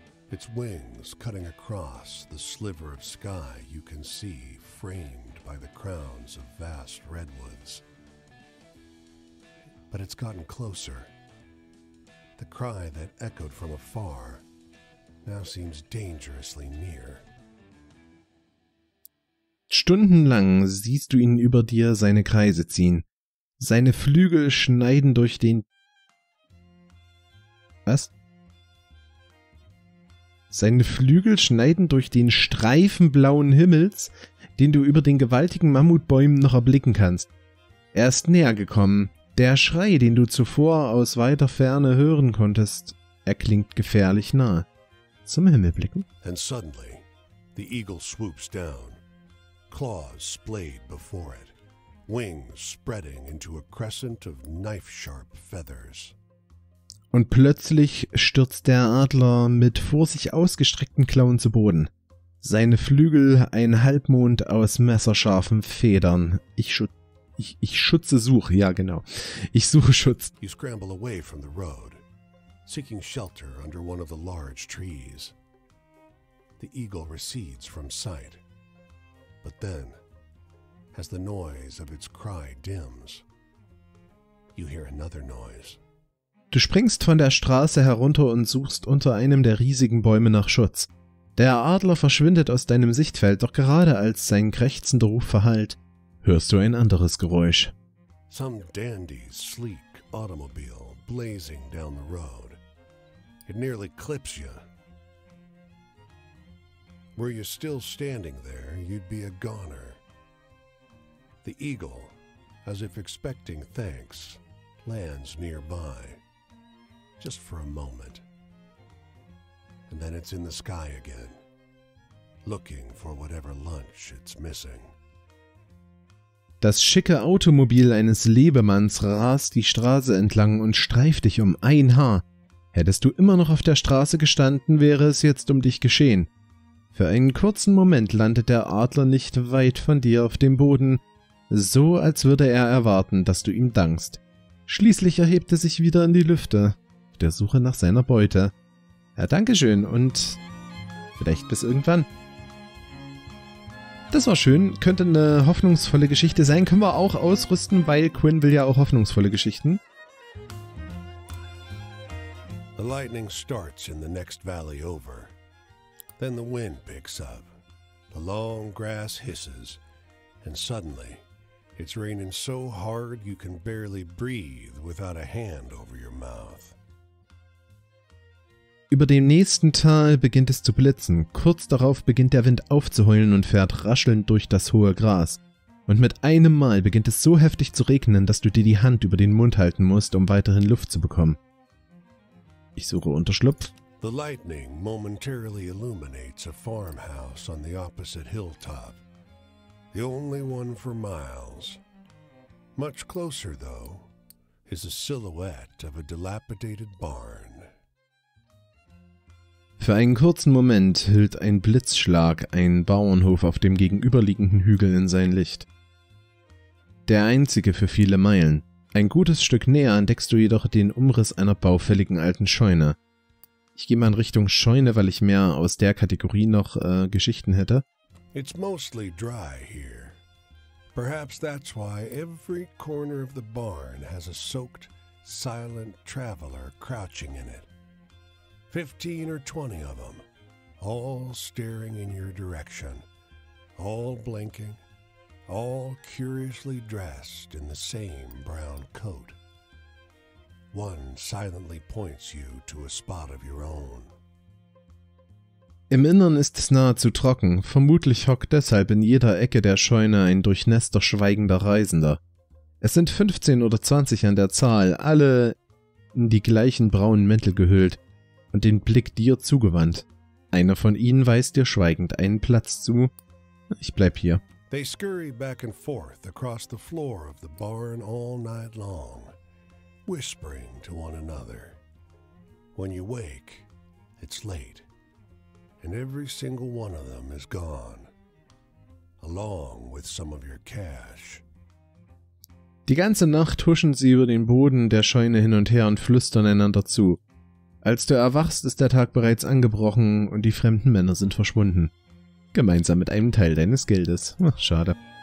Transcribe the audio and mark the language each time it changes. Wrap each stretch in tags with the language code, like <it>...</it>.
<en>Its wings cutting across the sliver of sky you can see framed by the crowns of vast redwoods. But it's gotten closer. The cry that echoed from afar now seems dangerously near.</en> <de>Stundenlang siehst du ihn über dir seine Kreise ziehen. Seine Flügel schneiden durch den... Was? Seine Flügel schneiden durch den Streifen blauen Himmels, den du über den gewaltigen Mammutbäumen noch erblicken kannst. Er ist näher gekommen. Der Schrei, den du zuvor aus weiter Ferne hören konntest, erklingt gefährlich nah. Zum Himmel blicken.</de> <en>And suddenly, the eagle swoops down, claws splayed before it, wings spreading into a crescent of knife-sharp feathers.</en> <de>Und plötzlich stürzt der Adler mit vor sich ausgestreckten Klauen zu Boden. Seine Flügel ein Halbmond aus messerscharfen Federn. Ich suche Schutz.</de> <en>You scramble away from the road, seeking shelter under one of the large trees. The eagle recedes from sight. But then, as the noise of its cry dims, you hear another noise.</en> <de>Du springst von der Straße herunter und suchst unter einem der riesigen Bäume nach Schutz. Der Adler verschwindet aus deinem Sichtfeld, doch gerade als sein krächzender Ruf verhallt, hörst du ein anderes Geräusch.</de> <en>Some dandy's sleek automobile blazing down the road. It nearly clips you. Were you still standing there, you'd be a goner. The eagle, as if expecting thanks, lands nearby. Just for a moment. And then it's in the sky again, looking for whatever lunch it's missing.</en> <de>Das schicke Automobil eines Lebemanns rast die Straße entlang und streift dich um ein Haar. Hättest du immer noch auf der Straße gestanden, wäre es jetzt um dich geschehen. Für einen kurzen Moment landet der Adler nicht weit von dir auf dem Boden, so als würde er erwarten, dass du ihm dankst. Schließlich erhebt er sich wieder in die Lüfte, auf der Suche nach seiner Beute. Ja, dankeschön und vielleicht bis irgendwann. Das war schön. Könnte eine hoffnungsvolle Geschichte sein. Können wir auch ausrüsten, weil Quinn will ja auch hoffnungsvolle Geschichten.</de> <en>The lightning starts in the next valley over. Then the wind picks up. The long grass hisses. And suddenly, it's raining so hard you can barely breathe without a hand over your mouth.</en> <de>Über dem nächsten Tal beginnt es zu blitzen. Kurz darauf beginnt der Wind aufzuheulen und fährt raschelnd durch das hohe Gras. Und mit einem Mal beginnt es so heftig zu regnen, dass du dir die Hand über den Mund halten musst, um weiterhin Luft zu bekommen. Ich suche Unterschlupf.</de> <en>The lightning momentarily illuminates a farmhouse on the opposite hilltop. The only one for miles. Much closer, though, is a silhouette of a dilapidated barn.</en> <de>Für einen kurzen Moment hüllt ein Blitzschlag einen Bauernhof auf dem gegenüberliegenden Hügel in sein Licht. Der einzige für viele Meilen. Ein gutes Stück näher entdeckst du jedoch den Umriss einer baufälligen alten Scheune. Ich gehe mal in Richtung Scheune, weil ich mehr aus der Kategorie noch Geschichten hätte.</de> <en>It's mostly dry here. Perhaps that's why every corner of the barn has a soaked, silent traveler crouching in it. 15 or 20 of them, all staring in your direction, all blinking, all curiously dressed in the same brown coat. One silently points you to a spot of your own.</en> <de>Im Innern ist es nahezu trocken, vermutlich hockt deshalb in jeder Ecke der Scheune ein durchnässter, schweigender Reisender. Es sind 15 oder 20 an der Zahl, alle in die gleichen braunen Mäntel gehüllt und den Blick dir zugewandt. Einer von ihnen weist dir schweigend einen Platz zu. Ich bleib hier. They scurry back and forth across the floor of the barn all night long, whispering to one another. When you wake, it's late. And every single one of them is gone, along with some of your cash. Die ganze Nacht huschen sie über den Boden der Scheune hin und her und flüstern einander zu. Als du erwachst, ist der Tag bereits angebrochen und die fremden Männer sind verschwunden. Gemeinsam mit einem Teil deines Geldes. Ach, schade.</de>